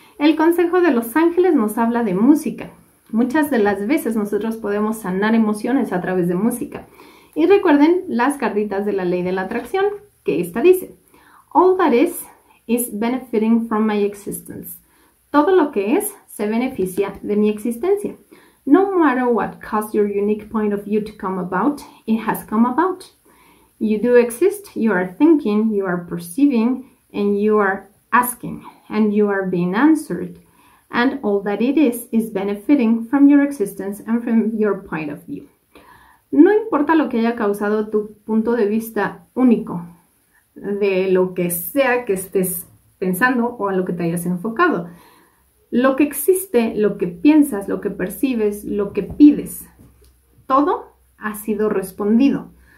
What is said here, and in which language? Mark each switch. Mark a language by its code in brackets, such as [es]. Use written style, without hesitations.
[es] El consejo de los ángeles nos habla de música. Muchas de las veces nosotros podemos sanar emociones a través de música. Y recuerden las cartitas de la ley de la atracción, que esta dice: [en] All that is benefiting from my existence. [es] Todo lo que es, se beneficia de mi existencia. [en] No matter what caused your unique point of view to come about, it has come about. You do exist, you are thinking, you are perceiving, and you are asking, and you are being answered. And all that it is benefiting from your existence and from your point of view. [es] No importa lo que haya causado tu punto de vista único, de lo que sea que estés pensando o a lo que te hayas enfocado. Lo que existe, lo que piensas, lo que percibes, lo que pides, todo ha sido respondido.